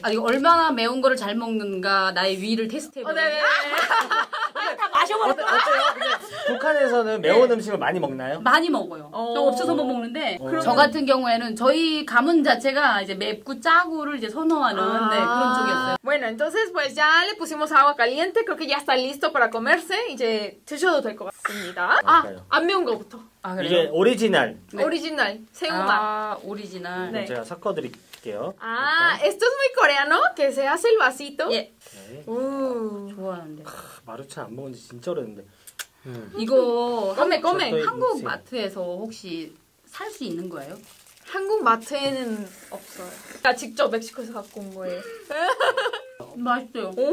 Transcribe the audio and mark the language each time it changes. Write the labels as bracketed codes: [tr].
[ko] 아, 이거 얼마나 매운 거를 잘 먹는가 나의 위를 테스트해보세요. 네. 북한에서는 매운 음식을 많이 먹나요? 많이 먹어요. 저 없어서 못 먹는데 저 같은 경우에는 저희 가문 자체가 이제 맵고 짜고를 이제 선호하는 네, 그런 쪽이었어요. [es] Bueno, entonces pues ya le pusimos agua caliente. Creo que ya está listo para comerse. [ko] 이제 드셔도 될것 같습니다. 아, 안 매운 거부터. 아, 그래요? 이게 오리지널. 네. 오리지널 새우맛. 아, 오리지널. 네. 제가 섞어드릴게요. 아, 일단. [es] esto es muy coreano que se hace el vasito. [ko] 예. 네. 좋아하는데. 마루차 안 먹은 지 진짜 오래됐는데. 이거 꼬메 꼬메 한국 마트에서 혹시 살수 있는 거예요? 한국 마트에는 없어요. 나 직접 멕시코에서 갖고 온 거예요. 맛있어요.